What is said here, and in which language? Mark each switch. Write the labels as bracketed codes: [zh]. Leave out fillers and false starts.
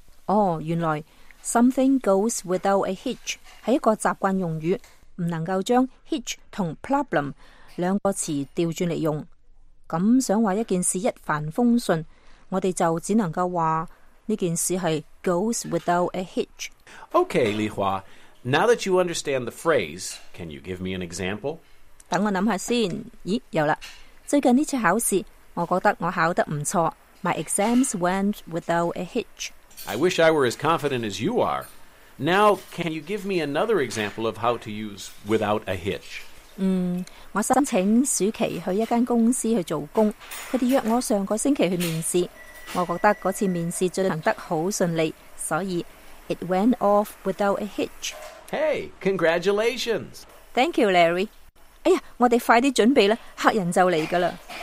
[yue] Oh, 原来 [en] something goes without a hitch [yue] 是一个习惯用语，不能够将 hitch 同 problem 两个词调转来用。咁想话一件事一帆风顺，我哋就只能够话呢件事系 [en] goes without a hitch。 Okay, Li Hua, now that you understand the phrase, can you give me an example? [yue] 等我谂下先。咦，有啦！最近呢次考试，我觉得我考得唔错。 [en] My exams went without a hitch. I wish I were as confident as you are. Now, can you give me another example of how to use without a hitch? [yue] 我申请暑期去一间公司去做工，佢哋约我上个星期去面试。我觉得嗰次面试进行得好顺利，所以 [en] it went off without a hitch. Hey, congratulations! Thank you, Larry. [yue] 哎呀，我哋快啲准备啦，客人就嚟噶啦。